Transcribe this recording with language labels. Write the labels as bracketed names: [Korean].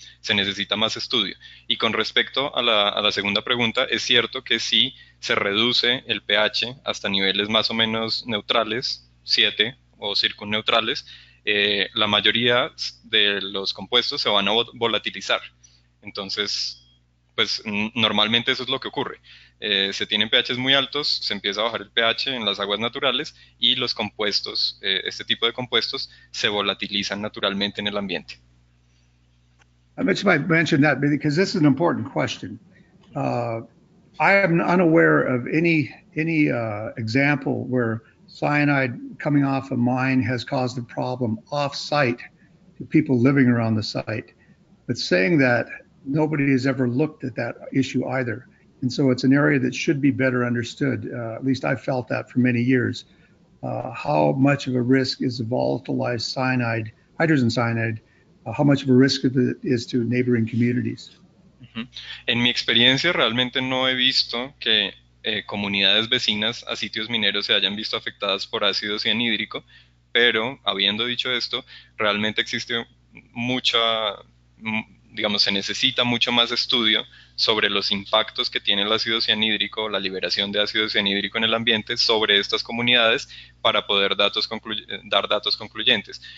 [Spanish] Se necesita más estudio. Y con respecto a la segunda pregunta, es cierto que si se reduce el pH hasta niveles más o menos neutrales, 7 o circunneutrales, la mayoría de los compuestos se van a volatilizar. Entonces, pues normalmente eso es lo que ocurre. Se tienen pHs muy altos, se empieza a bajar el pH en las aguas naturales y los compuestos, este tipo de compuestos, se volatilizan naturalmente en el ambiente. [English] I might mention that because this is an important question. I am unaware of any example where cyanide coming off a mine has caused a problem off-site to people living around the site. But saying that, nobody has ever looked at that issue either. And so it's an area that should be better understood. At least I've felt that for many years. How much of a risk is the volatilized cyanide, hydrogen cyanide, how much of a risk of it is to neighboring communities? [Spanish] En mi experiencia, realmente no he visto que comunidades vecinas a sitios mineros se hayan visto afectadas por ácido cianhídrico, pero habiendo dicho esto, realmente existe mucha, digamos, se necesita mucho más estudio sobre los impactos que tiene el ácido cianhídrico, la liberación de ácido cianhídrico en el ambiente sobre estas comunidades para poder dar datos concluyentes.